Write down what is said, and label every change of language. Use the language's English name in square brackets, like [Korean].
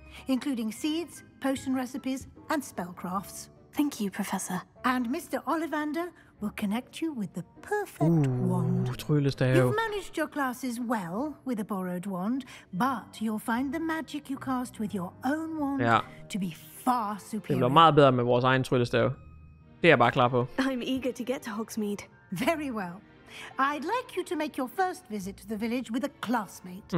[English] Including seeds, potion recipes, and spellcrafts. Thank you, Professor. And Mr. Ollivander will connect you with the perfect wand. [Danish] Tryllestav. [English] You've managed your classes well with a borrowed wand, but you'll find the magic you cast with your own wand [Danish] ja. [English] To be far superior. [Danish] Det bliver meget bedre med vores egen tryllestav. Det er jeg bare klar på. [English] I'm eager to get to Hogsmeade. Very well. I'd like you to make your first visit to the village with a classmate.